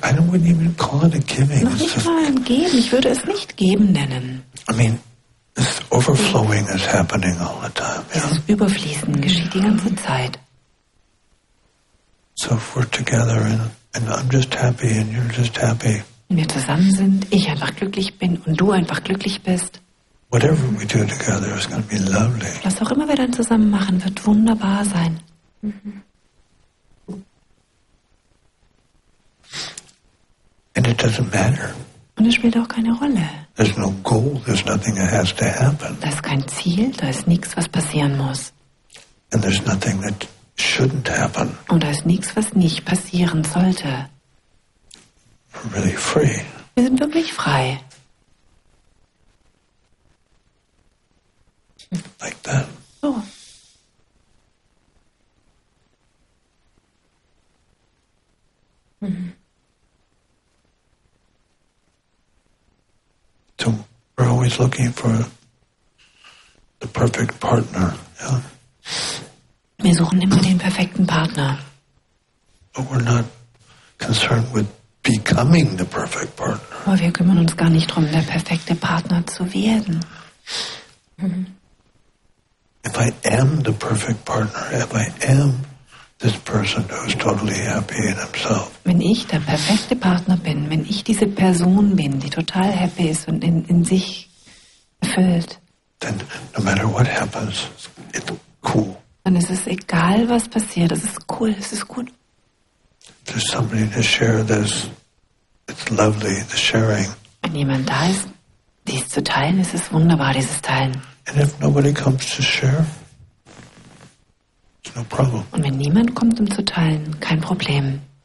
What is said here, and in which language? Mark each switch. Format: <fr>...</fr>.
<en>I wouldn't even call it a giving.</en> <de>Noch nicht mal ein Geben. Ich würde es nicht Geben nennen.</de> <en>I mean, this overflowing is happening all the time.</en> <de>Yeah? Dieses Überfließen geschieht die ganze Zeit.</de> <en>So if we're together and I'm just happy and you're just happy.</en> <de>Wenn wir zusammen sind, ich einfach glücklich bin und du einfach glücklich bist.</de> <en>Whatever we do together is going to be lovely.</en> <de>Was auch immer wir dann zusammen machen, wird wunderbar sein.</de> <en>And it doesn't matter.</en> <de>Und es spielt auch keine Rolle.</de> <en>There's no goal, there's nothing that has to happen.</en> <de>Da ist kein Ziel, da ist nichts, was passieren muss.</de> <en>And there's nothing that shouldn't happen.</en> <de>Und da ist nichts, was nicht passieren sollte.</de> <en>We're really free.</en> <de>Wir sind wirklich frei.</de> <en>Like that.</en> <de>So.</de> <en>So we're always looking for the perfect partner. Yeah?</en> <de>Wir suchen immer den perfekten Partner.</de> <en>But we're not concerned with becoming the perfect partner.</en> <de>Aber wir kümmern uns gar nicht darum, der perfekte Partner zu werden.</de> <en>If I am the perfect partner, if I am this person who's totally happy in himself.</en> <de>Wenn ich der perfekte Partner bin, wenn ich diese Person bin, die total happy ist und in sich erfüllt,</de> <en>then no matter what happens, it's cool.</en> <de>Dann ist es egal, was passiert, es ist cool, es ist gut.</de> <en>There's somebody to share this. It's lovely, the sharing.</en> <de>Wenn jemand da ist, dies zu teilen, ist es wunderbar, dieses Teilen.</de> <en>And if nobody comes to share, it's no problem.</en> <de>Und wenn niemand kommt, um zu teilen, kein Problem.</de>